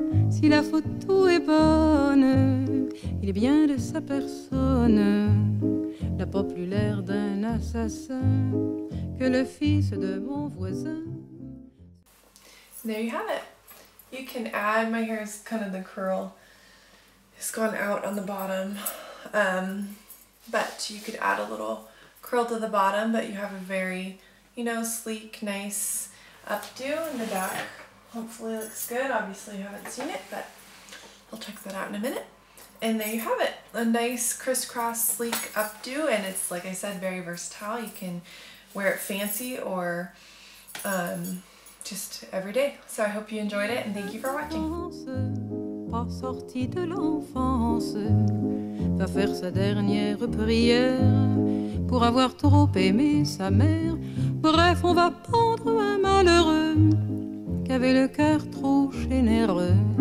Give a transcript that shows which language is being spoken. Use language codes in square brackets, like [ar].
[fr] Si la photo est bonne, il est bien de sa personne, la peau plus l'air d'un assassin que le fils de mon voisin. [en] There you have it. You can add, my hair is kind of the curl, it's gone out on the bottom, but you could add a little curl to the bottom, but you have a very, you know, sleek, nice updo in the back. Hopefully it looks good. Obviously you haven't seen it, but I'll check that out in a minute. And there you have it. A nice crisscross sleek updo. And it's, like I said, very versatile. You can wear it fancy or just every day. So I hope you enjoyed it and thank you for watching. [fr] Par sortie de l'enfance, va faire sa dernière prière pour avoir trop aimé sa mère. Bref, on va pendre un malheureux. Qu'avait le cœur trop généreux.